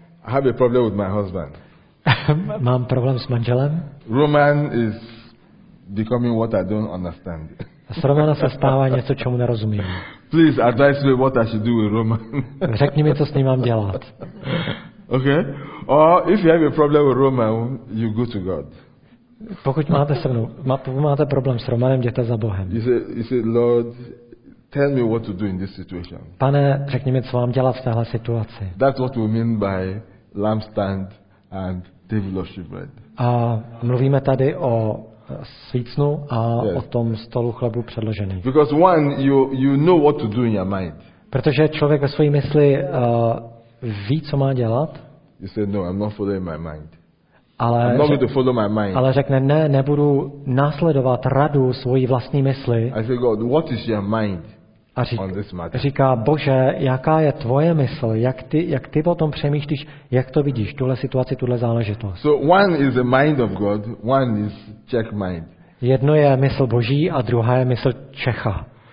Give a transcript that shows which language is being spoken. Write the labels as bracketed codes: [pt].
[en] I have a problem with my husband. [cs] Mám problém s manželem? [en] Roman is becoming what I don't understand. [cs] S Romana se stává něco, čemu nerozumím. [en] Please advise me what I should do with Roman. [cs] Řekni mi, co s ním mám dělat. [en] Okay? Or if you have a problem with Roman, you go to God. [cs] Pokud máte se mnou, máte problém s Romanem, jděte za Bohem. [en] You say, Lord, tell me what to do in this situation. [cs] Pane, řekni mi, co mám dělat v téhle situaci. [en] That's what we mean by lampstand and table of shewbread. [cs] A mluvíme tady o svícnu a yes. O tom stolu chlebu předložený. [en] Because one, you know what to do in your mind. [cs] Protože člověk ve své mysli ví, co má dělat. [en] You say no, I'm not following my mind. [cs] Ale [en] I'm not going to follow my mind. [cs] Ale řekne ne, nebudu následovat radu svojí vlastní mysli. [en] I say God, what is your mind on this matter? [cs] Říká Bože, jaká je tvoje mysl, jak ty o tom přemýšlíš, jak to vidíš, tuhle situaci, tuhle záležitost. [en] So one is the mind of God, one is Czech mind. [cs] Jedno je mysl Boží a druhá je mysl Čecha.